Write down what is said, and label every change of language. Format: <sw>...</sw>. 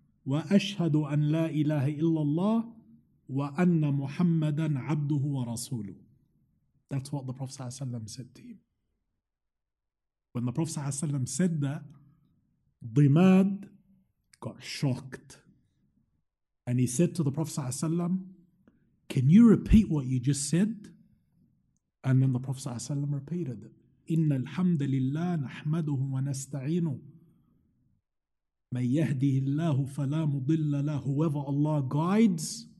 <ar>وأشهد أن لا إله إلا الله وأن محمدا عبده ورسوله.</ar> <en>That's what the Prophet ﷺ said to him. When the Prophet ﷺ said that, Dimad got shocked. And he said to the Prophet ﷺ, can you repeat what you just said? And then the Prophet ﷺ repeated it.</en> <ar>إِنَّ الْحَمْدَ لِلَّهِ نَحْمَدُهُ وَنَسْتَعِينُهُ مَنْ يَهْدِهِ اللَّهُ فَلَا مُضِلَّ لَهُ.</ar> <en>Whoever Allah guides,</en>